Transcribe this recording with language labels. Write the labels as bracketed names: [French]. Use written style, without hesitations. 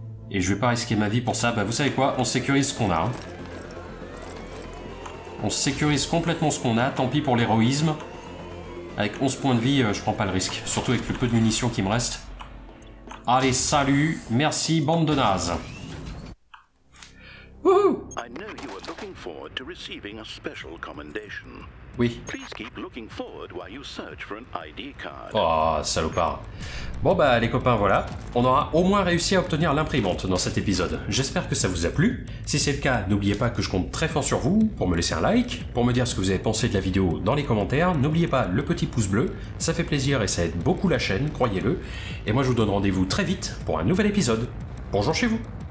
[French] Et je vais pas risquer ma vie pour ça. Bah vous savez quoi, on sécurise ce qu'on a. On sécurise complètement ce qu'on a, tant pis pour l'héroïsme. Avec 11 points de vie, je prends pas le risque. Surtout avec le peu de munitions qui me reste. Allez, salut, merci, bande de nazes. Wouhou ! [English] I know you are looking forward to receiving a special commendation. [French] Oui. [English] Please keep looking forward while you search for an ID card. [French] Oh, salopard. Bon bah les copains, voilà. On aura au moins réussi à obtenir l'imprimante dans cet épisode. J'espère que ça vous a plu. Si c'est le cas, n'oubliez pas que je compte très fort sur vous pour me laisser un like, pour me dire ce que vous avez pensé de la vidéo dans les commentaires. N'oubliez pas le petit pouce bleu, ça fait plaisir et ça aide beaucoup la chaîne, croyez-le. Et moi je vous donne rendez-vous très vite pour un nouvel épisode. Bonjour chez vous.